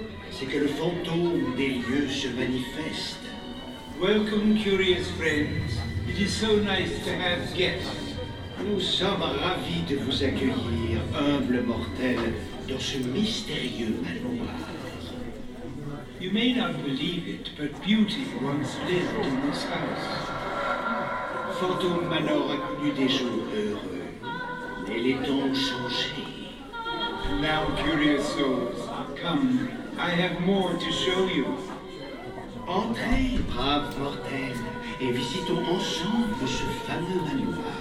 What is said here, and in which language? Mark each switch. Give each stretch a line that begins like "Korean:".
French: C'est que le fantôme des lieux se manifeste.
English: Welcome, curious friends. It is so nice to have guests.
French: Nous sommes ravis de vous accueillir, humbles mortels, dans ce mystérieux manoir.
English: You may not believe it, but beauty once lived in this house.
French: Phantom Manor a connu des jours heureux, mais les temps ont changé.
English: Now, curious souls, come, I have more to show you.
French: Entrez, braves mortels, et visitons ensemble ce fameux manoir.